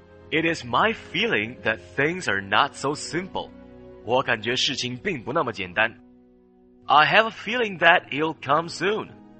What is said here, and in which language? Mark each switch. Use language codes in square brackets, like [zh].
[en] It is my feeling that things are not so simple。 [zh] 我感觉事情并不那么简单。 [en] I have a feeling that he'll come soon.